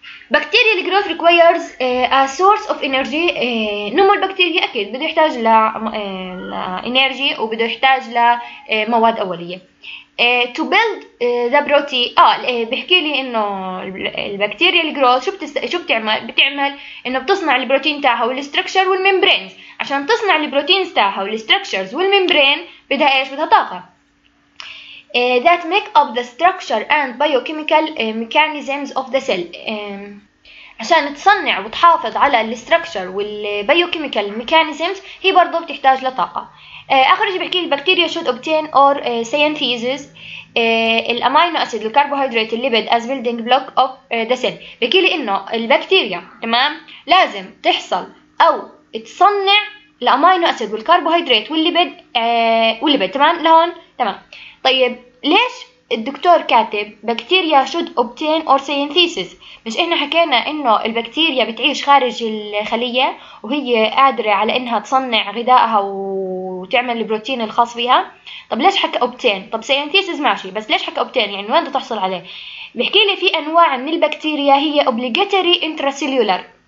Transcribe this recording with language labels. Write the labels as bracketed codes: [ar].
[ar] بكتيريا [en] الجروث requires a source of energy, [ar] نمو البكتيريا اكيد بده يحتاج لانرجي وبده يحتاج لمواد اوليه. [en] to build the protein, [ar] بحكي لي انه البكتيريا الجروث شو بتعمل؟ بتعمل انه بتصنع البروتين تاعها والستركشر والممبرينز. عشان تصنع البروتين تاعها والستركشرز والممبرين بدها ايش؟ بدها طاقه. [en] That make up the structure and biochemical mechanisms of the cell. [ar] عشان تصنع وتحافظ على ال structure وال biochemical mechanisms هي برضو بتحتاج لطاقة. آخر شيء بحكي البكتيريا [en] should obtain or synthesizes [ar] الأمينو أسيد الكربوهيدرات الليبيد [en] as building block of the cell. [ar] بحكي لي إنه البكتيريا تمام لازم تحصل أو تصنع الأمينو أسيد والكربوهيدرات والليبيد تمام لهون تمام. طيب ليش الدكتور كاتب بكتيريا [en] should obtain or synthesis؟ [ar] مش احنا حكينا انه البكتيريا بتعيش خارج الخلية وهي قادرة على انها تصنع غذائها وتعمل البروتين الخاص بها؟ طب ليش حكى obtain؟ طب synthesis ماشي، بس ليش حكى obtain؟ يعني وين تحصل عليه؟ بحكي لي في انواع من البكتيريا هي obligatory intracellular،